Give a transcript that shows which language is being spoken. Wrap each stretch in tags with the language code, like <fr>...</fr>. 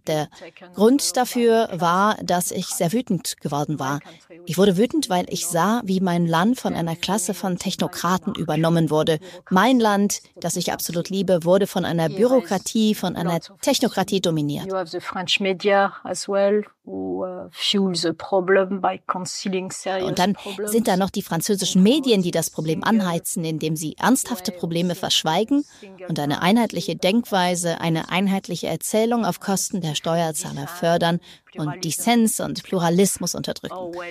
<de>Der Grund dafür war, dass ich sehr wütend geworden war. Ich wurde wütend, weil ich sah, wie mein Land von einer Klasse von Technokraten übernommen wurde. Mein Land, das ich absolut liebe, wurde von einer Bürokratie, von einer Technokratie dominiert.</de> <en>You have the French media as well, who fuel the problem by concealing serious.</en> <de>Und dann sind da noch die französischen Medien, die das Problem anheizen, indem sie ernsthafte Probleme verschweigen und eine einheitliche Denkweise, eine einheitliche Erzählung auf Kosten der Steuerzahler fördern und Dissens und Pluralismus unterdrücken.</de>